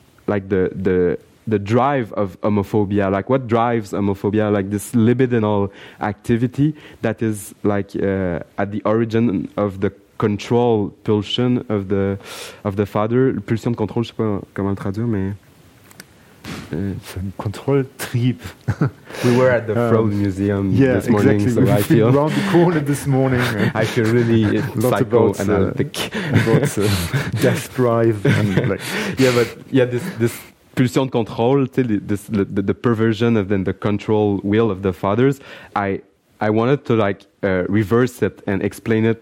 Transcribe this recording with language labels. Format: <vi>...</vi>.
<en>like the drive of homophobia, like what drives homophobia, like this libidinal activity that is like at the origin of the control pulsion of the father.</en> <fr>Pulsion de contrôle, je ne sais pas comment le traduire, mais... C'est un contrôle trip.</fr> <en>We were at the Froude Museum this morning. Yeah, exactly. So we've been around the corner this morning. I feel really psychoanalytic. About death drive. And like. Yeah, but yeah, this</en> <fr>pulsion de contrôle,</fr> <en>the perversion of then the control will of the fathers, I wanted to like reverse it and explain it.</en>